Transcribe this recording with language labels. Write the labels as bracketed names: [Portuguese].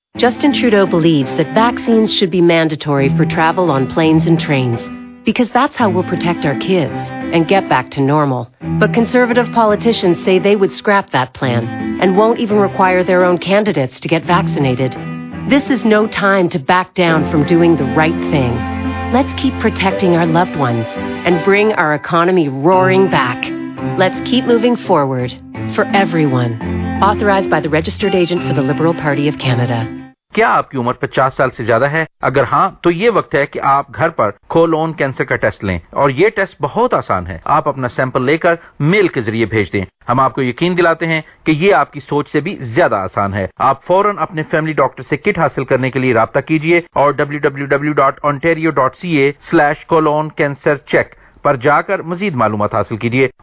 [English] Justin Trudeau believes that vaccines should be mandatory for travel on planes and trains, because that's how we will protect our kids and get back to normal. But conservative politicians say they would scrap that plan and won't even require their own candidates to get vaccinated. This is no time to back down from doing the right thing. Let's keep protecting our loved ones and bring our economy roaring back. Let's keep moving forward for everyone. Authorized by the Registered Agent for the Liberal Party of Canada. [Hindi] क्या आपकी उम्र 50 साल से ज्यादा है? अगर हाँ तो ये वक्त है कि आप घर पर कोलोन कैंसर का टेस्ट लें, और ये टेस्ट बहुत आसान है। आप अपना सैंपल लेकर मेल के जरिए भेज दें। हम आपको यकीन दिलाते हैं कि ये आपकी सोच से भी ज्यादा आसान है। आप फौरन अपने फैमिली डॉक्टर से किट हासिल करने के लिए रब्ता कीजिए और www.ontario.ca/colon-cancer-check पर जाकर मजीद मालूम हासिल कीजिए।